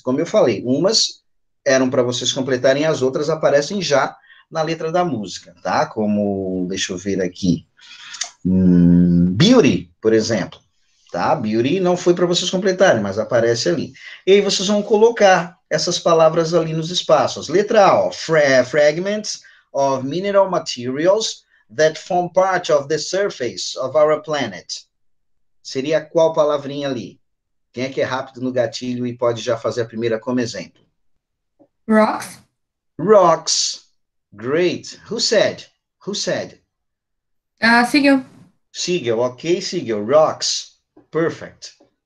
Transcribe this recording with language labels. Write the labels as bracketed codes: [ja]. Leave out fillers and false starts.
[pt] Como eu falei, umas eram para vocês completarem, as outras aparecem já na letra da música, tá? Como, deixa eu ver aqui. Beauty, por exemplo, tá? Beauty não foi para vocês completarem, mas aparece ali. E aí vocês vão colocar essas palavras ali nos espaços. Letra A, ó, [en] fragments of mineral materials that form part of the surface of our planet. [pt] Seria qual palavrinha ali? Quem é que é rápido no gatilho e pode já fazer a primeira como exemplo? [en] Rocks? Rocks. Great. Who said? Who said? [pt] Seguiu. [en] Sigel, ok, Sigel. Rocks, perfect.